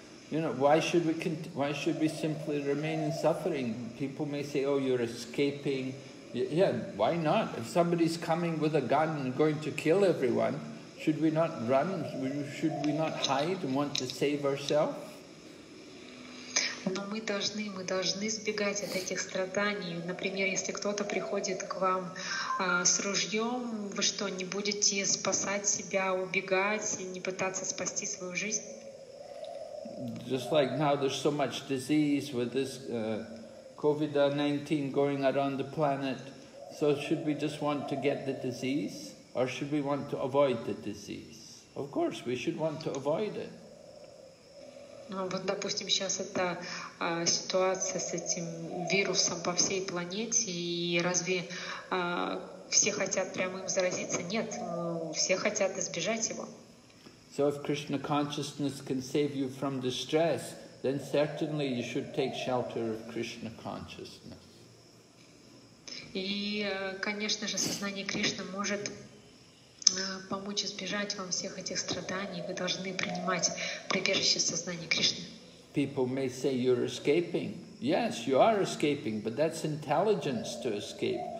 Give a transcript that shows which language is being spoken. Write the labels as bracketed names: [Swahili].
[English] You know, why should we simply remain in suffering? People may say, oh, you're escaping. Yeah, why not? If somebody's coming with a gun and going to kill everyone, should we not run? Should we not hide and want to save ourselves? [Russian] Но мы должны избегать от этих страданий. Например, если кто-то приходит к вам с ружьем, вы что, не будете спасать себя, убегать и не пытаться спасти свою жизнь? [English] Just like now there's so much disease with this COVID-19 going around the planet. So should we just want to get the disease? Or should we want to avoid the disease? Of course, we should want to avoid it. [Russian] Ну вот, допустим, сейчас это ситуация с этим вирусом по всей планете, и разве все хотят прямо им заразиться? Нет, все хотят избежать его. [English] So if Krishna consciousness can save you from distress, then certainly you should take shelter of Krishna consciousness. [Russian] И, конечно же, сознание Кришны может помочь избежать вам всех этих страданий. Вы должны принимать прибежище сознания Кришны. [English] People may say you're escaping. Yes, you are escaping, but that's intelligence to escape.